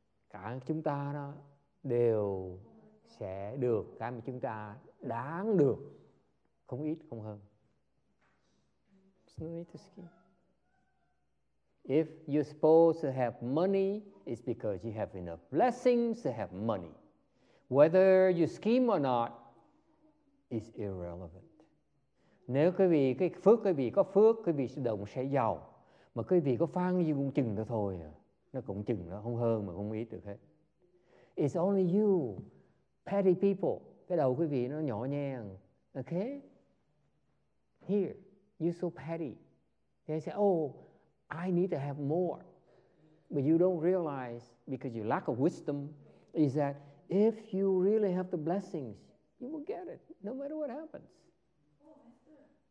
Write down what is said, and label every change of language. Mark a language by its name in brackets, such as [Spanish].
[Vietnamese] Cả chúng ta đó đều sẽ được cái mà chúng ta đáng được, không ít, không hơn. [English] No need to scheme. If you're supposed to have money, it's because you have enough blessings to have money. Whether you scheme or not, is irrelevant. [Vietnamese] Nếu quý vị cái phước quý vị có phước, quý vị sẽ đồng sẽ giàu. Mà quý vị có phan gì cũng chừng đó thôi. Nó cũng chừng nó không hơn mà không ít được hết. [English] It's only you, petty people. [Vietnamese] Cái đầu quý vị nó nhỏ nhen. [English] Okay? Here, you're so petty. They say, oh, I need to have more. But you don't realize, because your lack of wisdom, is that if you really have the blessings, you will get it, no matter what happens. Oh,